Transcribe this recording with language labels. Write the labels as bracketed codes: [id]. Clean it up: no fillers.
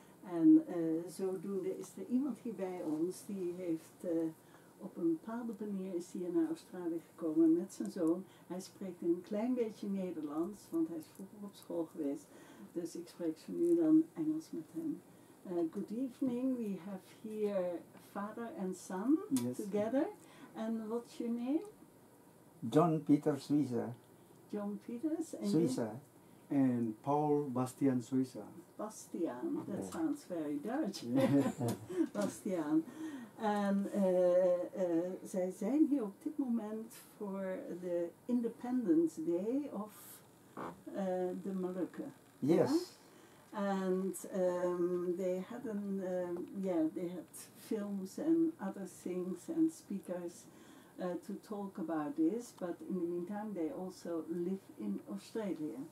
[nl] En zodoende is er iemand hier bij ons die heeft... Op een bepaalde manier is hij naar Australië gekomen met zijn zoon. Hij spreekt een klein beetje Nederlands, want hij is vroeger op school geweest. Dus ik spreek van nu dan Engels met hem. [en] Good evening, we have here father and son together. And what's your name? John Peter Suiza. John Peters and Suiza. And Paul Bastian Suiza. Bastian, that sounds very Dutch. Bastian. [nl] En zij zijn hier op dit moment voor de Independence Day of de Molukken. [en] Yes. En they had een, they had films and other things and speakers to talk about this. But in the meantime, they also live in Australia.